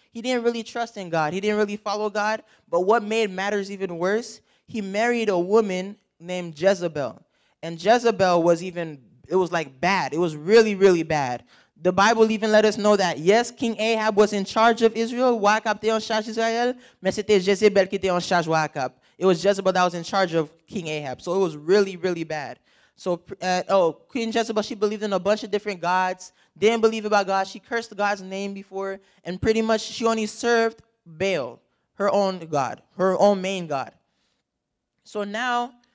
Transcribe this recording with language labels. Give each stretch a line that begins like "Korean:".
English: He didn't really trust in God. He didn't really follow God. But what made matters even worse, he married a woman named Jezebel. And Jezebel was even, it was like bad. It was really, really bad. The Bible even let us know that, yes, King Ahab was in charge of Israel.
French: Wakab était en charge d'Israël, mais c'était Jezebel qui était en charge de Wakab.
English: It was Jezebel that was in charge of King Ahab. So it was really, really bad. So, Queen Jezebel, she believed in a bunch of different gods, didn't believe about God. She cursed God's name before, and pretty much she only served Baal, her own god, her own main god. So now,